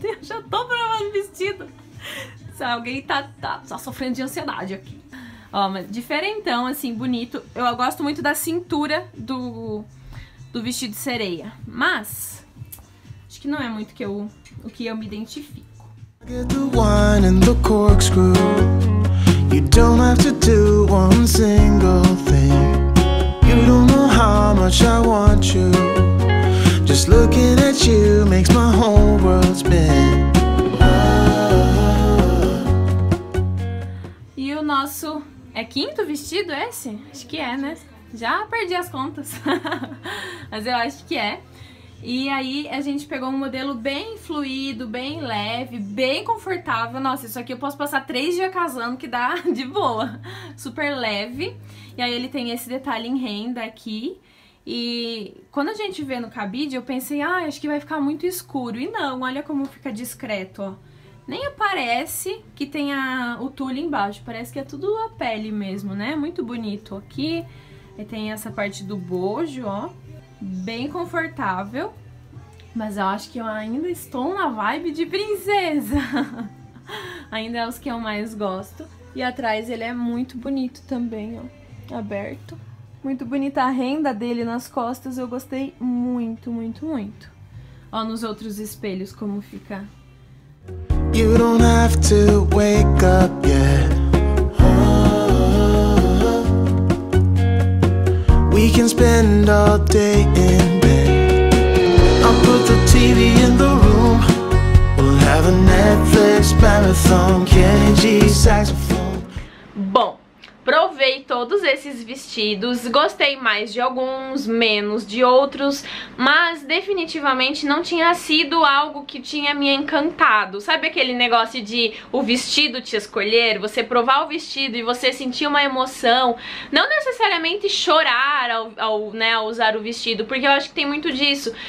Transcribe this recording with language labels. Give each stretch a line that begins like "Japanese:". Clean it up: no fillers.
Portuguese: Eu já tô provando vestido. Se alguém tá sofrendo de ansiedade aqui. Ó, mas diferentão, assim, bonito. Eu gosto muito da cintura do vestido sereia. Mas acho que não é muito o que eu me identifico.
English: Get the wine and the corkscrew. You don't have to do one single thing. You don't know how much I want you. Just looking at you makes my whole world spin.
Portuguese: E o nosso é quinto vestido esse? Acho que é, né? Já perdi as contas. Mas eu acho que é. E aí a gente pegou um modelo bem fluido, bem leve, bem confortável. Nossa, isso aqui eu posso passar 3 dias casando que dá de boa. Super leve. E aí ele tem esse detalhe em renda aqui. E quando a gente vê no cabide, eu pensei, ah, acho que vai ficar muito escuro. E não, olha como fica discreto, ó. Nem aparece que tenha o tule embaixo. Parece que é tudo a pele mesmo, né? Muito bonito aqui. E tem essa parte do bojo, ó. Bem confortável, mas eu acho que eu ainda estou na vibe de princesa. Ainda é os que eu mais gosto. E atrás ele é muito bonito também, ó, aberto. Muito bonita a renda dele nas costas, eu gostei muito, muito, muito. Ó, nos outros espelhos como fica.
English: You don't have to wake up yet. We can spend all day in bed. I'll put the TV in the room. We'll have a Netflix marathon. KG saxophone.
Portuguese: Bom, provei todos esses vestidos, gostei mais de alguns, menos de outros, mas definitivamente não tinha sido algo que tinha me encantado. Sabe aquele negócio de o vestido te escolher? Você provar o vestido e você sentir uma emoção, não necessariamente chorar ao usar o vestido, porque eu acho que tem muito disso.